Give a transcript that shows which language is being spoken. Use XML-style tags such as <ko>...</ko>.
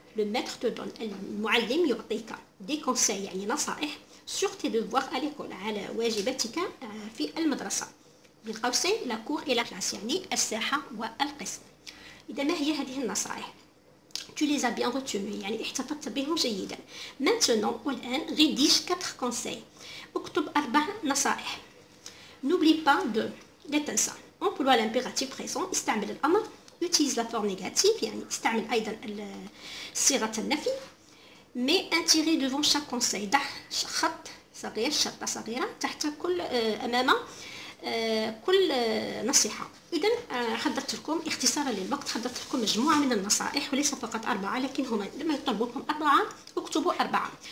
<fr>لو ميتر تو دون،</fr> <ar>المعلم يعطيك دي كونساي يعني نصائح، سور تي دوفوار ا ليكول على واجباتك في المدرسة، بين قوسين لا كور إلى كلاس يعني الساحة والقسم. إذا ما هي هذه النصائح؟</ar> <fr>tu les as bien retenu</fr> <ar>يعني احتفظت بهم جيدا.</ar> <fr>maintenant والآن rédige 4 conseils،</fr> <ar>اكتب 4 نصائح.</ar> <fr>n'oublie pas de،</fr> <ar>لا تنسى.</ar> <fr>emploie l'impératif présent،</fr> <ar>استعمل الأمر.</ar> <fr>utilise la forme négative</fr> <ar>يعني استعمل أيضا صيغة النفي.</ar> <fr>mais un tiré devant chaque conseil،</fr> <ar>ضع خط صغير، شرطة صغيرة تحت كل أمام كل نصيحة. إذا حضرت لكم اختصارا للوقت، حضرت لكم مجموعة من النصائح وليس فقط أربعة، لكن هما لما يطلبوكم أربعة اكتبوا 4.</ar>